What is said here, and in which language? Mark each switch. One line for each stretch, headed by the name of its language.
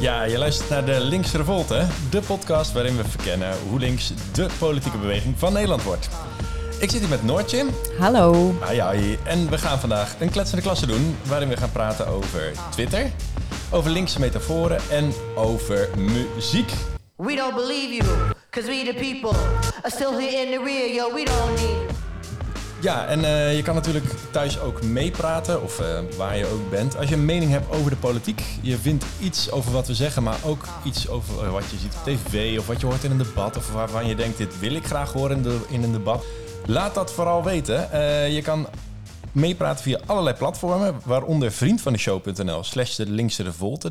Dutch: je luistert naar de Links Revolte, de podcast waarin we verkennen hoe links de politieke beweging van Nederland wordt. Ik zit hier met Noortje. Hallo. Hi, hi. En we gaan vandaag een kletsende klasse doen waarin we gaan praten over Twitter, over linkse metaforen en over muziek.
English: We don't believe you, because we the people are still here in the rear, yo, we don't need you.
Dutch: Ja, en je kan natuurlijk thuis ook meepraten, of waar je ook bent. Als je een mening hebt over de politiek, je vindt iets over wat we zeggen, maar ook iets over wat je ziet op tv, of wat je hoort in een debat, of waarvan je denkt, dit wil ik graag horen in een debat. Laat dat vooral weten. Je kan meepraten via allerlei platformen, waaronder vriendvandeshow.nl/de linkse revolte.